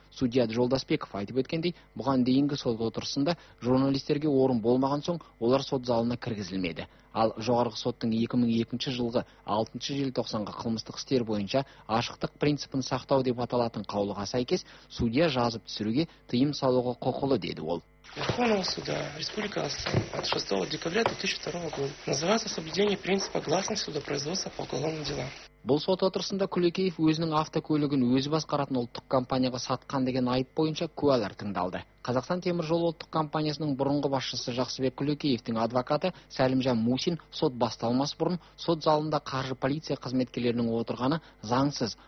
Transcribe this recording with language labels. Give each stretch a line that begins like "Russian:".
Kazakh: Судья Джолдасбеков айтып өткендей, бұған дейінгі сот отырысында журналистерге орын болмаған соң олар сот залына кіргізілмеді. Ал жоғарғы соттың 2002 жылғы 6 желтоқсанға қылмыстық істер бойынша ашықтық принципін сақтау деп аталатын қаулыға сәйкес судья жазып түсіруге тыйым салуға құқылы деді ол.
Russian: Верховного суда Республики Казахстан от 6 декабря 2002 года называется соблюдение принципа гласности судопроизводства по уголовным делам.
Kazakh: Бұл сот отырысында Күлекеев өзінің автокөлігін өзі басқаратын ұлттық компанияға сатқан деген айып бойынша куәлер тыңдалды. Қазақстан темір жолы ұлттық компаниясының бұрынғы басшысы Жақсыбек Күлекеевтің адвокаты Сәлімжан Мусин сот басталмас бұрын сот залында қаржы полиция қызметкерлерінің отырғаны заңсыз.